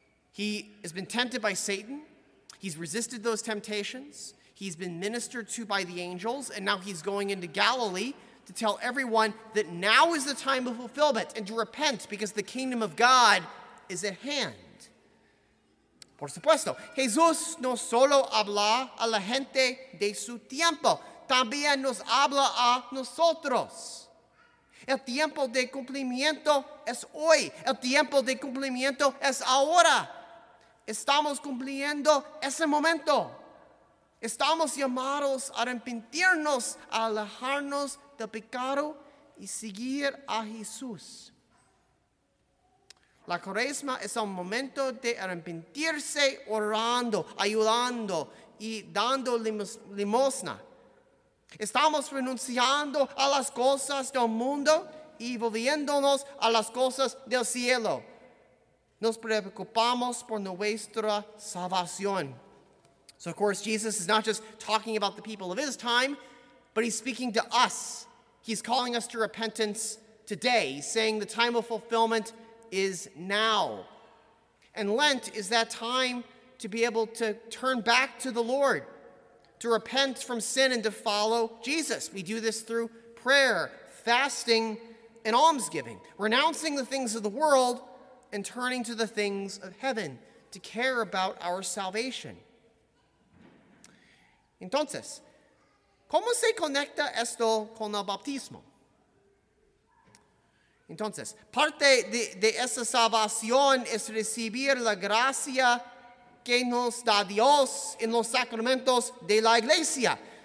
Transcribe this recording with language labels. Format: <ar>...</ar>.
<en>He has been tempted by Satan. He's resisted those temptations. He's been ministered to by the angels. And now he's going into Galilee to tell everyone that now is the time of fulfillment and to repent because the kingdom of God is at hand.</en> <es>Por supuesto, Jesús no solo habla a la gente de su tiempo, también nos habla a nosotros. El tiempo de cumplimiento es hoy. El tiempo de cumplimiento es ahora. Estamos cumpliendo ese momento. Estamos llamados a arrepentirnos, a alejarnos del pecado y seguir a Jesús. La cuaresma es un momento de arrepentirse orando, ayudando y dando limosna. Estamos renunciando a las cosas del mundo y volviéndonos a las cosas del cielo. Nos preocupamos por nuestra salvación.</es> <en>So, of course, Jesus is not just talking about the people of his time, but he's speaking to us. He's calling us to repentance today, saying the time of fulfillment is now. And Lent is that time to be able to turn back to the Lord, to repent from sin and to follow Jesus. We do this through prayer, fasting, and almsgiving, renouncing the things of the world and turning to the things of heaven to care about our salvation.</en> <es>Entonces, ¿cómo se conecta esto con el bautismo? Entonces, parte de esa salvación es recibir la gracia que nos da Dios en los sacramentos de la iglesia.</es>